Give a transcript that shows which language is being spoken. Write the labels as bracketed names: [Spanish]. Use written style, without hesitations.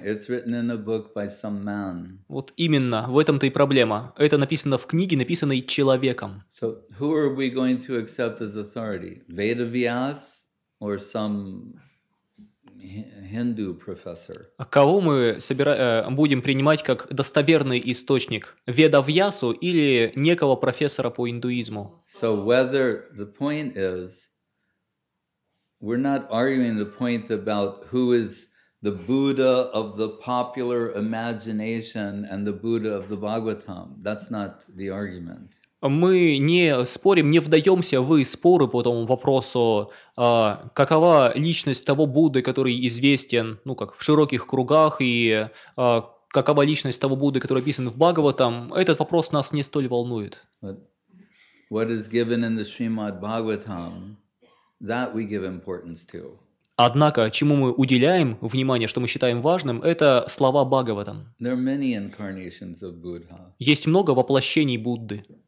[English] It's written in a book by some man. [Russian] Вот именно, в этом-то и проблема. Это написано в книге, написанной человеком. [English] So, who are we going to accept as authority? Vedavyas or some Hindu professor? [Russian] Кого мы будем принимать как достоверный источник? Ведавьясу или некого профессора по индуизму? [English] So, whether the point is, we're not arguing the point about who is the Buddha of the popular imagination and the Buddha of the Bhagavatam. That's not the argument. [Russian] Мы не спорим, не вдаемся в споры по этому вопросу, какова личность того Будды, который известен, ну как в широких кругах, и какова личность того Будды, который описан в Бхагаватам. Этот вопрос нас не столь волнует. [English] But what is given in the Srimad Bhagavatam? That we give importance to. [Russian] Однако, чему мы уделяем внимание, что мы считаем важным, это слова Бхагаватам. [English] There are many incarnations of Buddha. [Russian] Есть много воплощений Будды.